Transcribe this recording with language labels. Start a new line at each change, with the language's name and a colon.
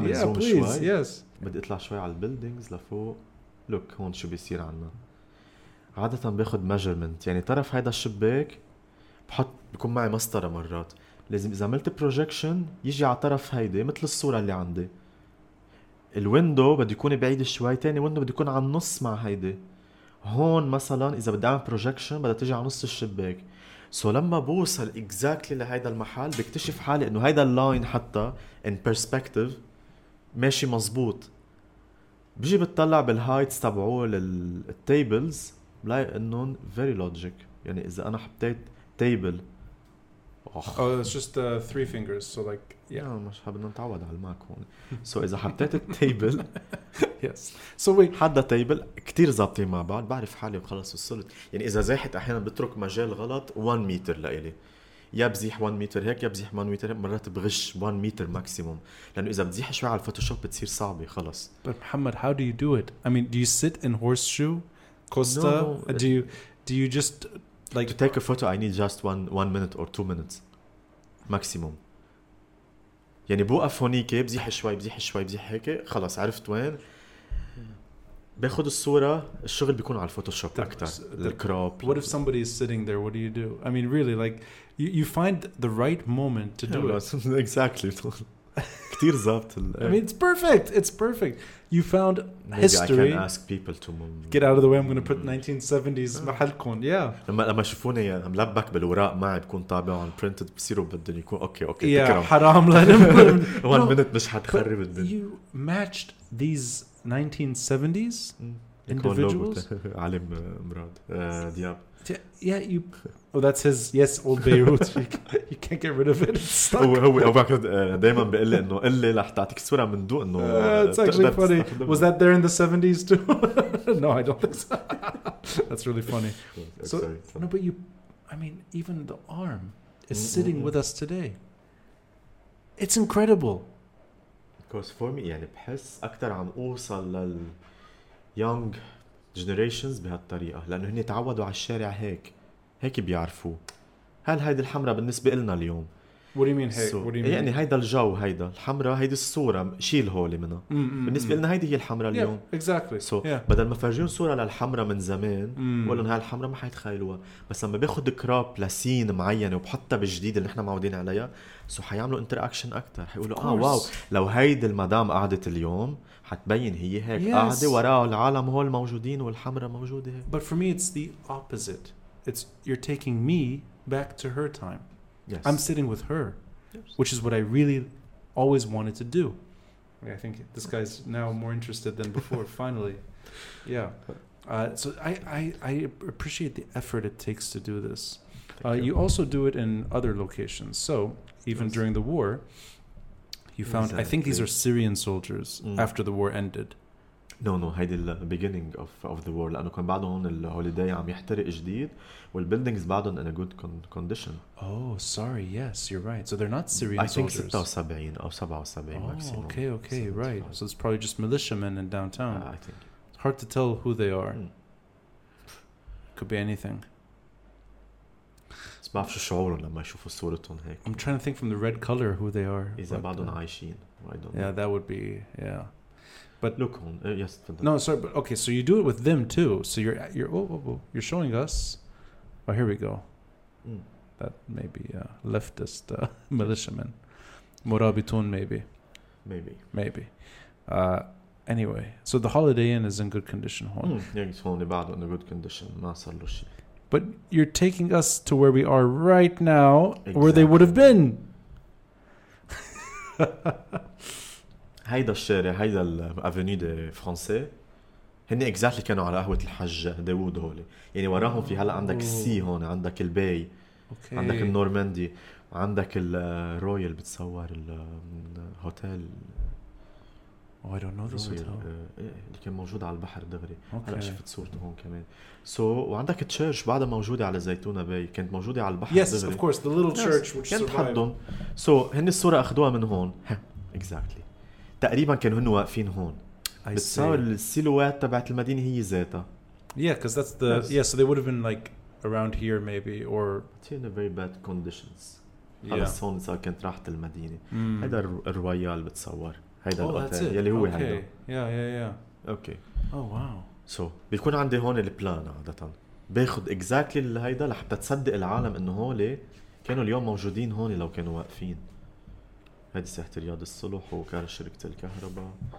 English: bit. Yeah, please, yes. I'll go a little bit to the buildings. Look, here's what's going on. I usually take measurement. So, the side of this shabak, I'll have a master sometimes. If I make a projection, it comes to the side of this, like the picture that I have.
Arabic: الويندو بده يكون بعيد شوي تاني ويندو بده يكون على النص مع هيدي هون مثلا اذا بدي اعمل بروجكشن بدها تيجي على نص الشباك سو لما بوصل اكزاكتلي لهيدا المحل بكتشف حالي انه هيدا اللاين حتى ان بيرسبكتيف ماشي مزبوط بيجي بتطلع بالهايتس تبعو للتيبلز بلاقي انه فيري لوجيك يعني اذا انا حطيت تيبل
English: Oh, it's just three fingers, so like, yeah. No,
Arabic: مش حابين نتعود على الماك هون. So إذا حطيت التابل,
English: yes. So wait.
Arabic: حدا تابل كتير زابطين مع بعض. بعرف حالي وخلص وصلت. يعني إذا زاحت أحيانا بترك مجال غلط 1 متر لإلي. يا بزيح 1 متر هيك يا بزيح 1 متر مرات بغش 1 متر ماكسيموم. لأنه إذا بزيح شوي على الفوتوشوب بتصير صعبة خلص.
English: But محمد, how do you do it? I mean, do you sit in horseshoe, Costa? No, do you Do you just like to take a photo? I need just one minute or 2 minutes, maximum.
Arabic: يعني بوقف هونيك بزيح شوي بزيح شوي بزيح هيك خلاص عرفت وين باخذ الصوره الشغل بيكون على الفوتوشوب اكثر الكروب.
English: What if somebody is sitting there, what do you do? I mean really like you find the right moment to do it. Exactly.
Arabic: كثير زابط.
English: I mean it's perfect. It's perfect. You found history. I can ask people to get out of the way. I'm going to put 1970s محلكم. Yeah.
Arabic: لما شوفوني ملبك بالوراق معي بكون طابعهم printed بصيروا بدهم يكون اوكي اوكي تكرم.
English: Yeah,
Arabic: حرام لنم.
English: One minute
Arabic: مش حتخرب الدنيا.
English: You matched these 1970s individuals.
Arabic: علم مراد دياب.
English: Yeah, you. Oh, that's his. Yes, old Beirut. You can't get rid of it. It's stuck.
Arabic: دايماً بيقول لي إنه قل لي لح تعطيك صورة من دون إنه.
English: It's actually funny. Was that there in the 70s too? No, I don't think so. That's really funny. So no, but you. I mean, even the arm is sitting with us today. It's incredible. Because for me,
Arabic: يعني بحس أكتر عم أوصل لل
English: young generations
Arabic: بهالطريقة لأنه هني تعودوا على الشارع هيك هيك بيعرفوا هل هيدا الحمرة بالنسبة إلنا اليوم.
English: What do you mean hey? What do you mean?
Arabic: يعني هيدا الجو هيدا الحمرة هيدا الصورة شيل هولي منها بالنسبة إلنا هيدا هي الحمرة اليوم.
English: Yeah, exactly. So yeah.
Arabic: بدل ما فرجون صورة للحمرة من زمان بقولن هاي الحمرة ما حيتخيلوها بس لما بياخد كراب لسين معينة وبحطها بالجديد اللي احنا معودين عليها سو حيعملوا انتراكشن أكتر حيقولوا اه واو لو هيدا المدام قعدت اليوم حتبين هي هيك
English: yes.
Arabic: قاعدة وراه العالم هول موجودين والحمرة موجودة.
English: But for me it's the opposite. It's you're taking me back to her time. Yes. I'm sitting with her, yes. Which is what I really always wanted to do. Okay, I think this guy's now more interested than before, finally. Yeah. So I appreciate the effort it takes to do this. You also do it in other locations. So even yes. during the war, you found, exactly. I think these are Syrian soldiers after the war ended.
Arabic: No, هيدي ال
English: beginning of the war
Arabic: لأنه كان بعدهم ال holiday عم يحترق جديد وال buildings بعدهم
English: in a good condition. Oh, sorry, yes, you're right. So they're not Syrian soldiers. I think 76 or 77 maximum. Oh, okay, right. So it's probably just militiamen in downtown. I think it's hard to tell who they are. Could be anything.
Arabic: ما بعرف شو شعورهم لما يشوفوا صورتهم هيك.
English: I'm trying to think from the red color who they are.
Arabic: إذا بعدهم عايشين.
English: Yeah, that would be yeah. But look on, yes. No, sorry, but okay. So you do it with them too. So you're showing us. Oh, here we go. That may be a leftist militiaman, Murabitun maybe. Anyway, so the Holiday Inn is in good condition. Yeah, it's only bad in a good condition.
Arabic: ما صار له شيء.
English: But you're taking us to where we are right now, exactly. Where they would have been.
Arabic: هيدا الشارع هيدا الأفنيو دي فرنسي هني اكزاكتلي كانوا على قهوة الحج داوود هولي يعني وراهم في هلا عندك السي هون عندك الباي
English: okay.
Arabic: عندك النورماندي عندك الرويال بتصور الهوتيل
English: oh, I don't know this hotel
Arabic: اللي كان موجود على البحر دغري
English: okay.
Arabic: هلا شفت صورته هون كمان so, وعندك تشيرش بعدها موجودة على زيتونة باي كانت موجودة على البحر
English: yes,
Arabic: دغري
English: yes of course the little church which
Arabic: كانت حدهم so, هني الصورة أخذوها من هون اكزاكتلي تقريبا كانوا هن واقفين هون بس السيلوات تبعت المدينه هي ذاتها
English: yeah cuz that's the yes. yeah so they would have been like around here maybe or in a very bad conditions yeah.
Arabic: خلص هون صار كانت راحت المدينه هذا الرويال بتصور هذا الاوتيل يلي هو هذا
English: yeah
Arabic: اوكي
English: oh wow
Arabic: so بيكون عندي هون البلان عاده باخذ اكزاكتلي هيدا لحتى تصدق العالم انه هول كانوا اليوم موجودين هون لو كانوا واقفين هذه ساحة رياض الصلح وكان شركة الكهرباء.